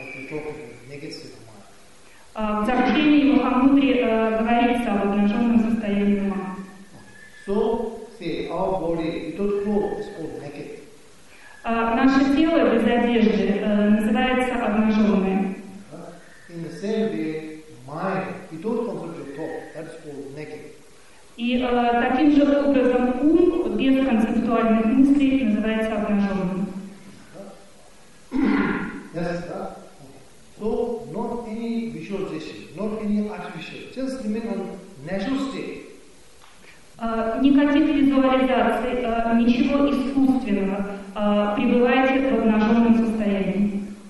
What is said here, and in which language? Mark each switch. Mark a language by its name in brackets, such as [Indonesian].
[Russian] В Дзогчене Махамудре говорится об обнаженном состоянии ума. [English] So, see, our body, without clothes, is called naked. [Russian] Наше тело без одежды называется обнаженное. [English] In the same way, mind, without concentrated thought, that's called naked. [Russian] И таким же образом ум без концептуальных мыслей называется обнаженным. [English] Yes, that. So, not any visualization, not any artificial, just remain on natural state. [Russian] Никаких визуализаций, ничего искусственного. Пребывайте в обнаженном состоянии.